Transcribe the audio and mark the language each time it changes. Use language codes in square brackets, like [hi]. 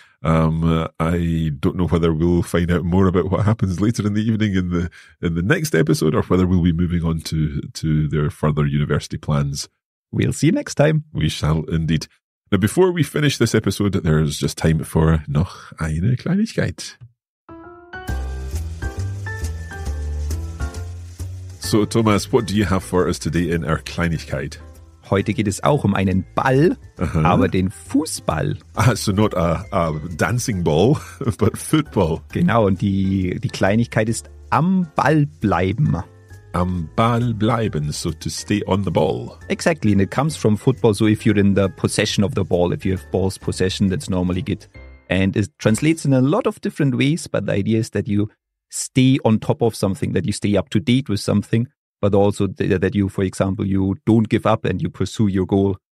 [en] I don't know whether we'll find out more about what happens later in the evening in the next episode, or whether we'll be moving on to their further university plans. We'll see you next time. We shall indeed. Now, before we finish this episode, there's just time for [de] noch eine Kleinigkeit. [en] So, Thomas, what do you have for us today in our Kleinigkeit? [de] Heute geht es auch um einen Ball, uh-huh. aber den Fußball. [en] Ah, so not a dancing ball, but football. [de] Genau, und die Kleinigkeit ist am Ball bleiben. Am Ball bleiben, [en] so to stay on the ball. Exactly, and it comes from football, so if you're in the possession of the ball, if you have ball's possession, that's normally good. And it translates in a lot of different ways, but the idea is that you stay on top of something, that you stay up to date with something, but also that you, for example, you don't give up and you pursue your goal.